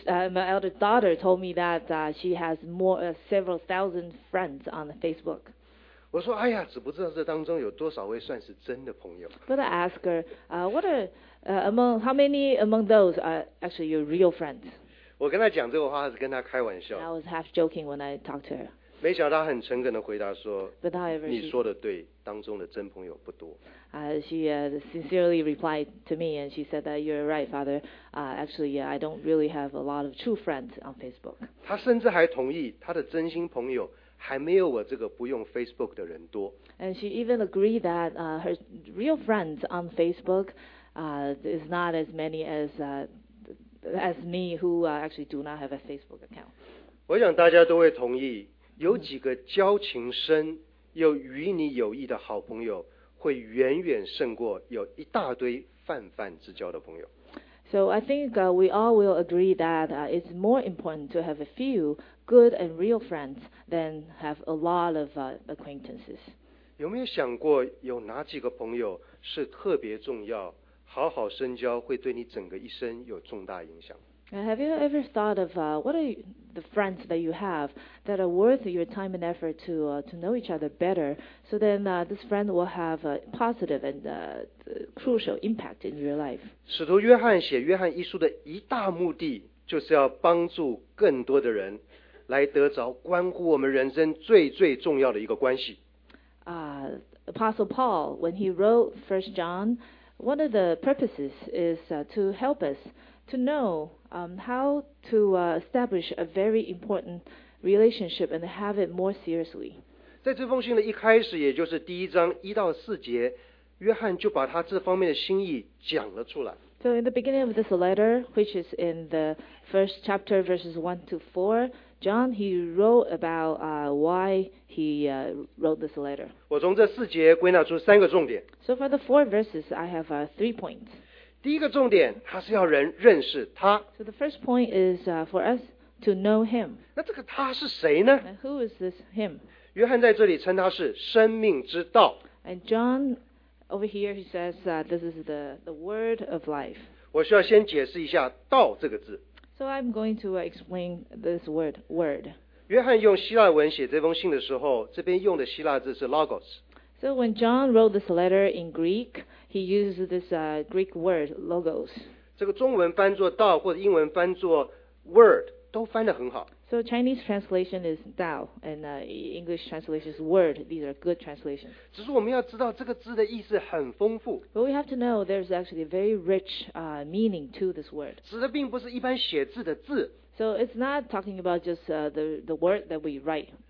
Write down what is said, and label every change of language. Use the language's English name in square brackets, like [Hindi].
[English] My elder daughter told me that she has several thousand friends on Facebook. [Chinese] 我说，哎呀，只不知道这当中有多少位算是真的朋友。 [English] But I asked her, how many among those are actually your real friends? [Chinese] 我跟她讲这个话是跟她开玩笑。 [English] I was half joking when I talked to her. [Chinese] 没想到她很诚恳地回答说， [English] But however, [Chinese] 你说的对，当中的真朋友不多。 [English] She sincerely replied to me, and she said that you're right, Father. Actually, I don't really have a lot of true friends on Facebook. [Chinese] 她甚至还同意，她的真心朋友还没有我这个不用 Facebook 的人多。 [English] And she even agreed that her real friends on Facebook is not as many as me, who actually do not have a Facebook account. [Chinese] 我想大家都会同意，有几个交情深又与你有益的好朋友。会远远胜过有一大堆泛泛之交的朋友。 [English] So I think we all will agree that it's more important to have a few good and real friends than have a lot of acquaintances. [Chinese] 有没有想过有哪几个朋友是特别重要，好好深交会对你整个一生有重大影响？ [English] Have you ever thought of what are the friends that you have that are worth your time and effort to know each other better, so then this friend will have a positive and crucial impact in your life. [Chinese] 使徒约翰写约翰一书的一大目的就是要帮助更多的人来得着关乎我们人生最最重要的一个关系。 [English] Apostle Paul, when he wrote 1 John, one of the purposes is to help us to know how to establish a very important relationship and have it more seriously. [Chinese] 在这封信的一开始，也就是第一章一到四节，约翰就把他这方面的心意讲了出来。 [English] So in the beginning of this letter, which is in the first chapter, verses 1-4, John, he wrote about why he wrote this letter. [Chinese] 我从这四节归纳出三个重点。 [English] So for the four verses, I have three points. [Chinese] 第一个重点，他是要人认识他。 [English] So the first point is for us to know him. [Chinese] 那这个他是谁呢？ [English] Who is this him? [Chinese] 约翰在这里称他是生命之道。 [English] And John over here he says this is the word of life. [Chinese] 我需要先解释一下道这个字。 [English] So I'm going to explain this word, word. [Chinese] 约翰用希腊文写这封信的时候，这边用的希腊字是 logos。 [English] So when John wrote this letter in Greek, he used this Greek word, logos. [Chinese] 这个中文翻作道或者英文翻作 word 都翻得很好。 [English] So Chinese translation is Dao, and English translation is word. These are good translations. [Chinese] 只是我们要知道这个字的意思很丰富。 [English] But we have to know there's actually a very rich meaning to this word. [Chinese] 指的并不是一般写字的字。 [English] So it's not talking about just the word that we write.